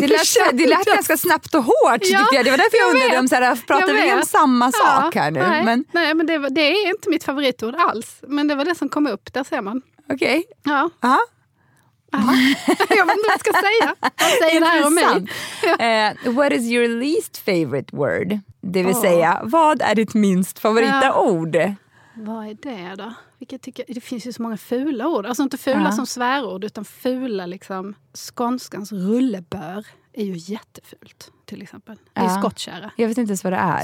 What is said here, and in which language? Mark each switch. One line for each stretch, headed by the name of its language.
Swedish: det lät, kände. Det lät ganska snabbt och hårt, tyckte jag. Det var därför jag undrade om så här, pratar vi om samma sak här nu? Nej, men det är inte mitt favoritord alls. Men det var det som kom upp, där ser man. Okej. Okay. Ja. Jag vet inte vad jag ska säga. Vad säger det här om mig?
English: What is your least favorite word?
Swedish: Det vill säga, vad är ditt minst favorita ord? Vad är det då? Det finns ju så många fula ord. Alltså inte fula som svärord, utan fula liksom. Skånskans rullebör är ju jättefult, till exempel. Det är skottkärra. Jag vet inte ens vad det är.